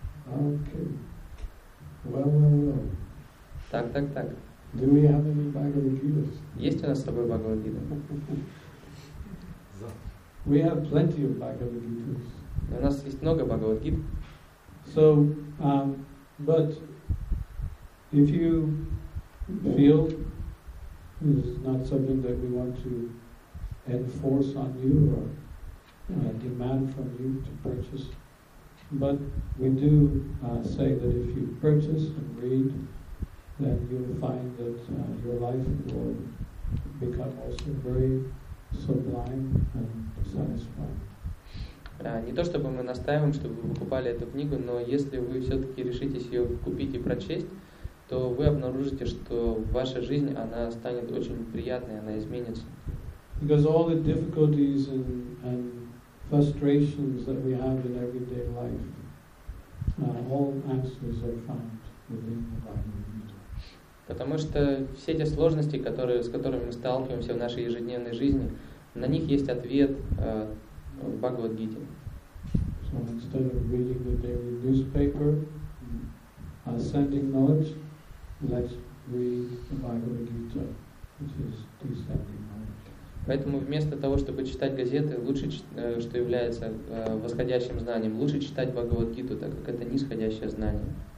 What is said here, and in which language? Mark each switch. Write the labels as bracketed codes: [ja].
[en] Okay. Well. [ru] Так. [en] Do we have any Bhagavad Gita? [ru] Есть у нас с собой Бхагавад Гита? [en] We have plenty of Bhagavad Gitas. [ru] У нас есть много Бхагавад Гит. [en] So, but if you feel this is not something that we want to enforce on you or demand from you to purchase, but we do say that if you purchase and read, then you'll find that your life will become also very sublime and [ru] Не то чтобы мы настаиваем, чтобы вы покупали эту книгу, но если вы все-таки решитесь ее купить и прочесть, то вы обнаружите, что ваша жизнь, она станет очень приятной, она изменится. [en] Because all the difficulties and frustrations that we have in everyday life, all answers are found within the Bhagavad Gita. [ru] Потому что все эти сложности, с которыми мы сталкиваемся в нашей ежедневной жизни, на них есть ответ в Бхагавад-гите. [en] So instead of reading the daily newspaper, ascending knowledge, let's read the Bhagavad-gita, which is descending knowledge. [ru] Поэтому вместо того, чтобы читать газеты, лучше, что является восходящим знанием, лучше читать Бхагавад-гиту, так как это нисходящее знание.